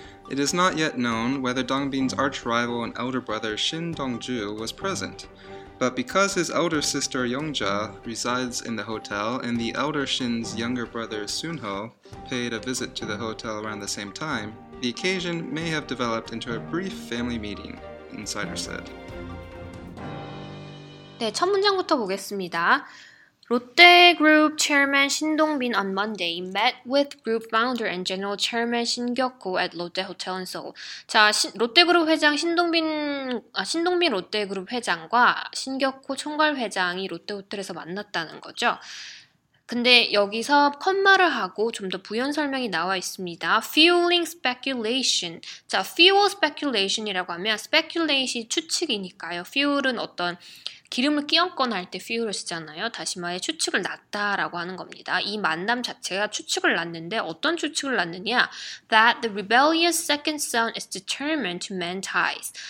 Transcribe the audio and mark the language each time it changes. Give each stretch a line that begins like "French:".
English: It is not yet known whether Dong-bin's arch-rival and elder brother Shin Dong-ju was present, but because his elder sister Yong-ja resides in the hotel and the elder Shin's younger brother Soon-ho paid a visit to the hotel around the same time, the occasion may have developed into a brief family meeting, insider said.
Korean: 네, 첫 문장부터 보겠습니다.
English: 롯데 그룹 체어맨 신동빈 on Monday met with group founder and general chairman 신격호 at Lotte Hotel in Seoul.
Korean: 자, 롯데 그룹 회장 신동빈 롯데 그룹 회장과 신격호 총괄 회장이 롯데 호텔에서 만났다는 거죠. 근데 여기서 콤마를 하고 좀 더 부연 설명이 나와 있습니다.
English: Fueling speculation.
Korean: 자, fuel speculation이라고 하면 speculation이 추측이니까요. Fuel은 어떤 기름을 끼얹거나 할 때 fuel을 쓰잖아요. 다시 말해 추측을 놨다라고 하는 겁니다. 이 만남 자체가 추측을 놨는데 어떤 추측을 놨느냐?
English: That the rebellious second son is determined to mend ties.